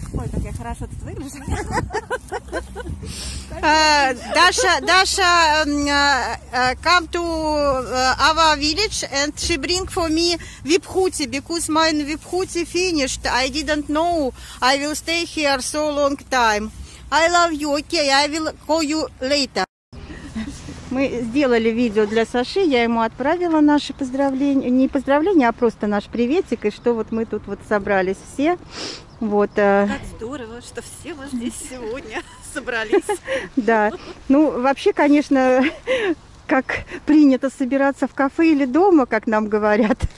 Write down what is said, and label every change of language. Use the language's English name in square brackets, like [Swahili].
[Russian] Ой, так я хорошо тут выгляжу. [English] Даша, come to our village and she bring for me vibhuti, because my vibhuti finished. I didn't know I will stay here so long time. I love you. Okay, I will call you later. [Russian] Мы сделали видео для Саши, я ему отправила наши поздравления. Не поздравления, а просто наш приветик, и что вот мы тут вот собрались все. Вот. Как здорово, что все мы здесь сегодня собрались. Да. Ну, вообще, конечно, как принято собираться в кафе или дома, как нам говорят.